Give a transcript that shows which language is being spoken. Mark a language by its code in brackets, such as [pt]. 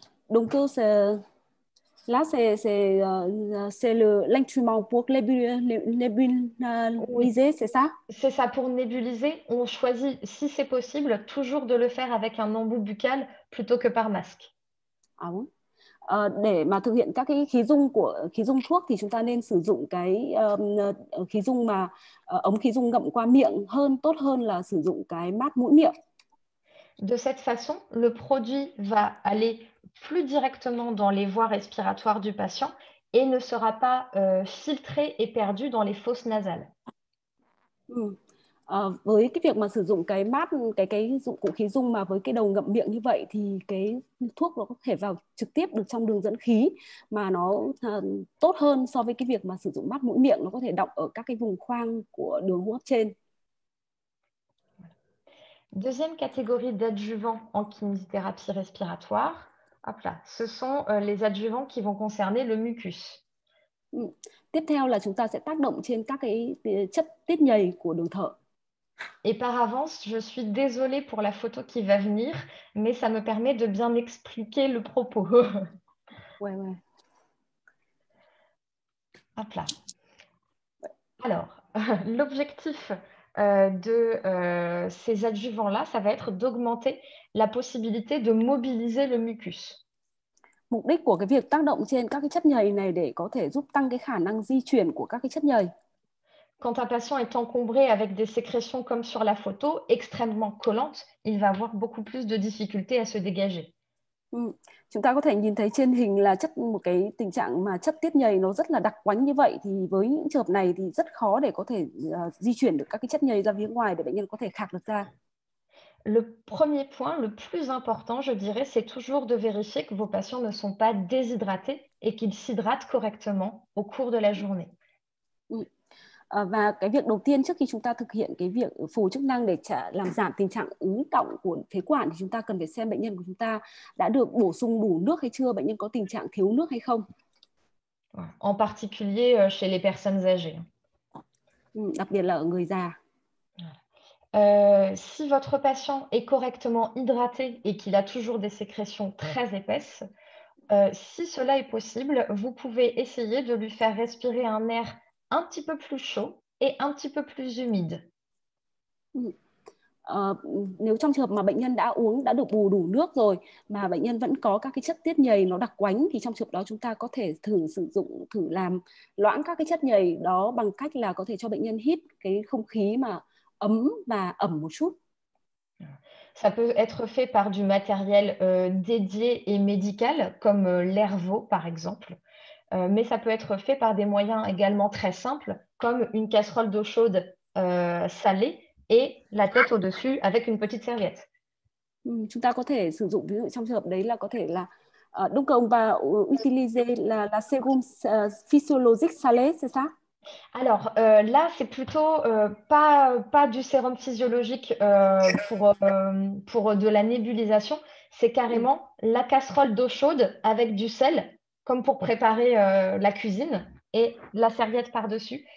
[fr] Donc c'est là c'est le l'instrument pour Oui, nébuliser, c'est ça? c'est ça pour nébuliser. On choisit, si c'est possible, toujours de le faire avec un embout buccal plutôt que par masque. À bon. [vi] Để mà thực hiện các cái khí dung thuốc thì chúng ta nên sử dụng cái khí dung mà ống khí dung ngậm qua miệng hơn, tốt hơn là sử dụng cái mát mũi miệng. [fr] De cette façon, le produit va aller plus directement dans les voies respiratoires du patient et ne sera pas filtré et perdu dans les fosses nasales. [vi] Với cái việc mà sử dụng cái mát cái dụng cụ khí dung mà với cái đầu ngậm miệng như vậy thì cái thuốc nó có thể vào trực tiếp được trong đường dẫn khí mà nó tốt hơn so với cái việc mà sử dụng mát mũi miệng, nó có thể đọng ở các cái vùng khoang của đường hô hấp trên. [fr] Deuxième catégorie d'adjuvants en kinésithérapie respiratoire, hop là, ce sont les adjuvants qui vont concerner le mucus. [vi] Tiếp theo là chúng ta sẽ tác động trên các cái chất tiết nhầy của đường thở. [fr] Et par avance, je suis désolée pour la photo qui va venir, mais ça me permet de bien expliquer le propos. Ouais. Hop là. Alors, l'objectif de ces adjuvants-là, ça va être d'augmenter la possibilité de mobiliser le mucus. [vi] Mục đích của cái việc tác động trên các cái chất nhầy này để có thể giúp tăng cái khả năng di chuyển của các cái chất nhầy. [fr] Quand un patient est encombré avec des sécrétions comme sur la photo, extrêmement collantes, il va avoir beaucoup plus de difficultés à se dégager. [vi] Chúng ta có thể nhìn thấy trên hình là chất một cái tình trạng mà chất tiết nhầy nó rất là đặc quánh như vậy, thì với những trường hợp này thì rất khó để có thể di chuyển được các cái chất nhầy ra phía ngoài để bệnh nhân có thể khạc được ra. [fr] Le premier point, le plus important, je dirais, c'est toujours de vérifier que vos patients ne sont pas déshydratés et qu'ils s'hydratent correctement au cours de la journée. [vi] Và cái việc đầu tiên trước khi chúng ta thực hiện cái việc phục hồi chức năng để làm giảm tình trạng ứ đọng của phế quản thì chúng ta cần phải xem bệnh nhân của chúng ta đã được bổ sung đủ nước hay chưa, bệnh nhân có tình trạng thiếu nước hay không. [fr] En particulier chez les personnes âgées. [vi] Đặc biệt là ở người già. [fr] Si votre patient est correctement hydraté et qu'il a toujours des sécrétions très épaisses, si cela est possible, vous pouvez essayer de lui faire respirer un air un petit peu plus chaud et un petit peu plus humide. [vi] Nếu trong trường hợp mà bệnh nhân đã uống đã được bù đủ nước rồi mà bệnh nhân vẫn có các cái chất tiết nhầy nó đặc quánh thì trong trường hợp đó chúng ta có thể thử làm loãng các cái chất nhầy đó bằng cách là có thể cho bệnh nhân hít cái không khí mà ấm và ẩm một chút. [fr] Ça peut être fait par du matériel dédié et médical, comme l'Airvo par exemple, mais ça peut être fait par des moyens également très simples, comme une casserole d'eau chaude salée et la tête au-dessus avec une petite serviette. [vi] Chúng ta có thể sử dụng ví dụ trong trường hợp đấy là có thể là đun cồn và [fr] utiliser là sérum physiologique salé, c'est ça? Alors là, c'est plutôt pas du sérum physiologique pour de la nébulisation. C'est carrément la casserole d'eau chaude avec du sel, comme pour préparer la cuisine, et la serviette par-dessus.